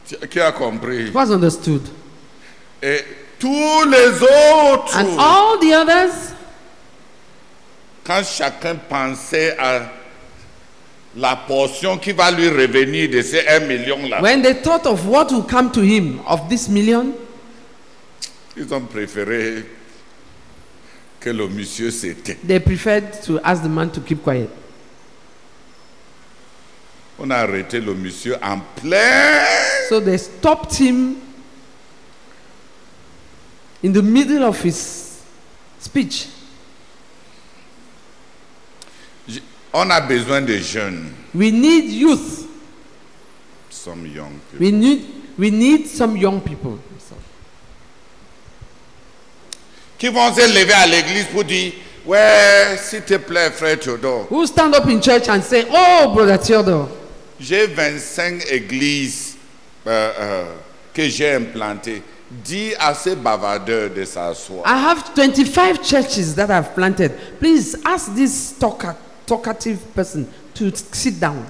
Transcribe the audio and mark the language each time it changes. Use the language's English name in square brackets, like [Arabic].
[French] Qui a compris? [English] It was understood. [French] Et tous les autres. [English] And all the others. [French] Quand chacun pensait à la portion qui va lui revenir de ces 1 million là. [English] When they thought of what will come to him of this million. [French] Ils ont préféré que le monsieur s'éteigne. [English] They preferred to ask the man to keep quiet. [French] On a arrêté le monsieur en plein. [English] So they stopped him. In the middle of his speech. [French] On a besoin de jeunes. [English] We need youth. Some young people. We need some young people. [French] Qui vont se lever à l'église pour dire, ouais, s'il te plaît, frère Théodore. [English] Who stand up in church and say, oh, brother Théodore. [French] J'ai 25 églises que j'ai implantées. Dis à ce bavardeur de s'asseoir. [English] I have 25 churches that I've planted. Please ask this talkative person to sit down.